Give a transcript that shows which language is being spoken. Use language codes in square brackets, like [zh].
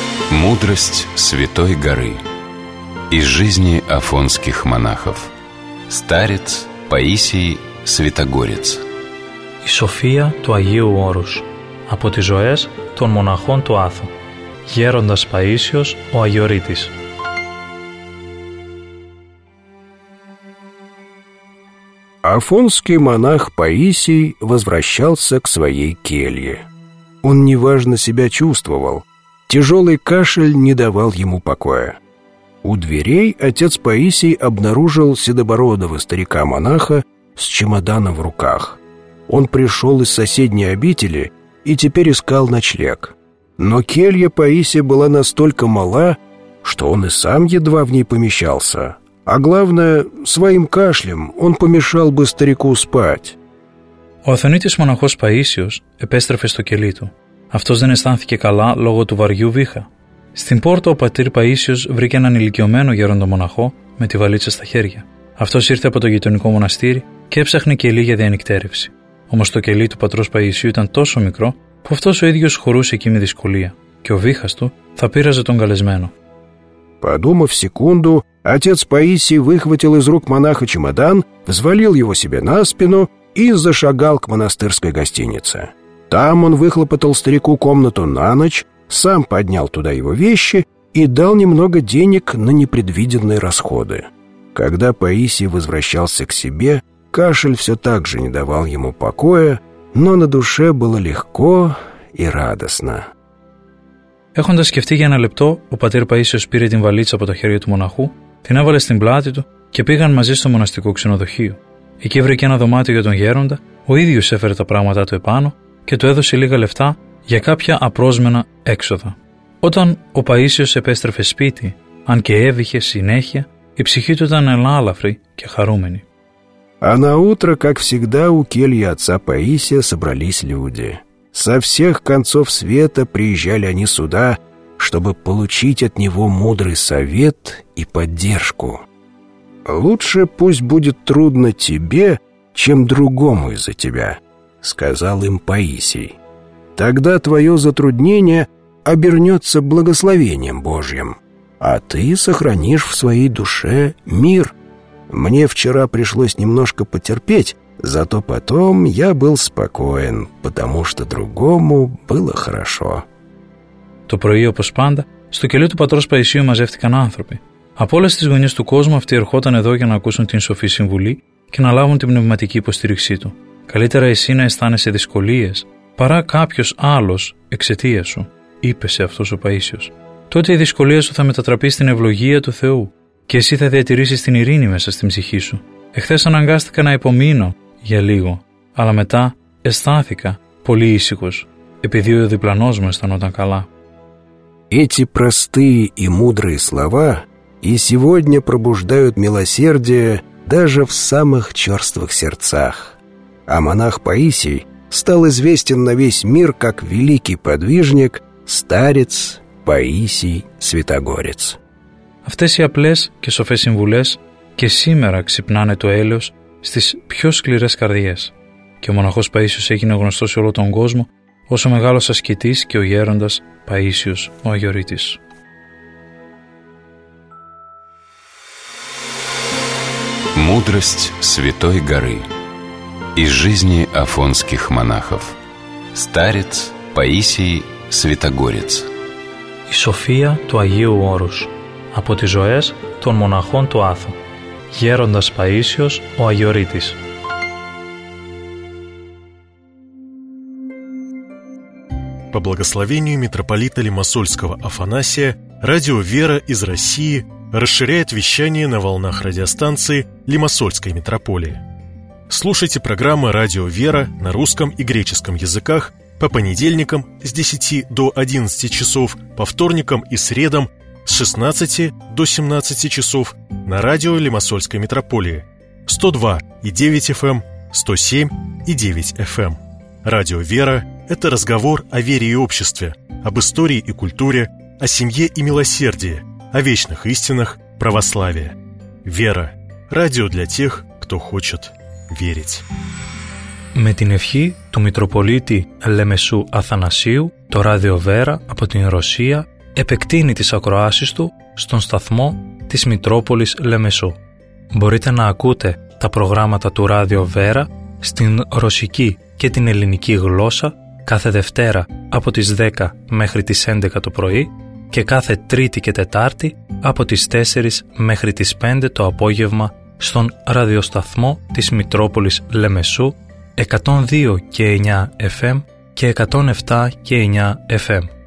[ru] Мудрость Святой Горы из жизни афонских монахов. Старец Паисий Святогорец. [el] Η σοφία του Αγίου Όρους από τις ζωές των μοναχών του Άθου. Γέροντας Παΐσιος ο Αγιορείτης. [ru] Афонский монах Паисий возвращался к своей келье. Он неважно себя чувствовал. Тяжелый кашель не давал ему покоя. У дверей отец Паисий обнаружил седобородого старика-монаха с чемоданом в руках. Он пришел из соседней обители и теперь искал ночлег. Но келья Паисия была настолько мала, что он и сам едва в ней помещался. А главное, своим кашлем он помешал бы старику спать. [el] Ο Αθωνίτης μοναχός Παΐσιος επέστρεφε στο κελί του. Αυτός δεν αισθάνθηκε καλά λόγω του βαριού βήχα. Στην πόρτα ο πατήρ Παΐσιος βρήκε έναν ηλικιωμένο γέροντο μοναχό με τη βαλίτσα στα χέρια. Αυτός ήρθε από το γειτονικό μοναστήρι και έψαχνε κελί για διανυκτέρευση. Όμως το κελί του πατρός Παΐσιου ήταν τόσο μικρό που αυτός ο ίδιος χωρούσε εκεί με δυσκολία και ο βήχας του θα πείραζε τον καλεσμένο. [ru] Подумав секунду, отец Паисий выхватил из рук монаха чемодан, взвалил его себе на спину и зашагал к монастырской гостинице. Там он выхлопотал старику комнату на ночь, сам поднял туда его вещи и дал немного денег на непредвиденные расходы. Когда Паисий возвращался к себе, кашель все так же не давал ему покоя, но на душе было легко и радостно. [el] Έχοντας σκεφτεί για ένα λεπτό, ο πατήρ Παΐσιος πήρε την βαλίτσα από το χέρι του μοναχού, την έβαλε στην πλάτη του και πήγαν μαζί στο μοναστικό ξενοδοχείο. Εκεί βρήκε ένα δωμάτιο για τον γέροντα, ο ίδιος έφερε τα πράγματά του επάνω και του έδωσε λίγα λεφτά για κάποια απρόσμενα έξοδα. Όταν ο Παΐσιος επέστρεφε σπίτι, αν και έβηχε συνέχεια, η ψυχή του ήταν ελάλαφρη και χαρούμενη. Ανά ούτρα, [ru] как всегда, у келья отца Паисия собрались люди. Со всех концов света приезжали они сюда, чтобы получить от него мудрый совет и поддержку. «Лучше пусть будет трудно тебе, чем другому из-за тебя», — сказал им Паисий. «Тогда твое затруднение обернется благословением Божьим, а ты сохранишь в своей душе мир. Мне вчера пришлось немножко потерпеть, зато потом я был спокоен, потому что другому было хорошо». [el] Το πρωί, όπως πάντα, στο κελί του πατρός Παϊσίου μαζεύτηκαν άνθρωποι. Από όλες τις γωνίες του κόσμου αυτοί ερχόταν εδώ για να ακούσουν την σοφή συμβουλή και να λάβουν την πνευματική υποστήριξή του. «Καλύτερα εσύ να αισθάνεσαι δυσκολίες παρά κάποιος άλλος εξαιτίας σου», είπε σε αυτός ο Παΐσιος. «Τότε η δυσκολία σου θα μετατραπεί στην ευλογία του Θεού και εσύ θα διατηρήσεις την ειρήνη μέσα στην ψυχή σου. Εχθές αναγκάστηκα να υπομείνω για λίγο, αλλά μετά αισθάνθηκα πολύ ήσυχος, επειδή ο διπλανός μου αισθανόταν καλά». [ru] Эти простые и мудрые слова и сегодня пробуждают милосердие даже в самых чёрствых сердцах. А монах Паисий стал известен на весь мир как великий подвижник, старец Паисий Святогорец. [el] Αυτές οι απλές και σοφές συμβουλές και σήμερα ξυπνάνε το έλεος στις πιο σκληρές καρδιές. Και ο μοναχός Παΐσιος έγινε γνωστός σε όλο τον κόσμο ως ο μεγάλος ασκητής και ο γέροντας Παΐσιος ο Αγιορείτης. [ru] Мудрость Святой Горы из жизни афонских монахов. Старец Паисий Святогорец. [el] Η Σοφία του Αγίου Όρους από τις ζωές των μοναχών του Άθου. Γέροντας Παΐσιος ο Αγιορείτης. [ru] По благословению митрополита Лимассольского Афанасия, радио «Вера» из России расширяет вещание на волнах радиостанции Лимассольской митрополии. Слушайте программы «Радио Вера» на русском и греческом языках по понедельникам с 10 до 11 часов, по вторникам и средам с 16 до 17 часов на радио Лимассольской митрополии 102,9 FM, 107,9 FM. «Радио Вера» — это разговор о вере и обществе, об истории и культуре, о семье и милосердии, о вечных истинах православия. Вера. Радио для тех, кто хочет верить. [el] Με την ευχή του Μητροπολίτη Λεμεσού Αθανασίου, το Ράδιο Βέρα από την Ρωσία επεκτείνει τις ακροάσεις του στον σταθμό της Μητρόπολης Λεμεσού. Μπορείτε να ακούτε τα προγράμματα του Ράδιο Βέρα στην ρωσική και την ελληνική γλώσσα κάθε Δευτέρα από τις 10 μέχρι τις 11 το πρωί και κάθε Τρίτη και Τετάρτη από τις 4 μέχρι τις 5 το απόγευμα στον ραδιοσταθμό της Μητρόπολης Λεμεσού 102 και 9 FM και 107 και 9 FM.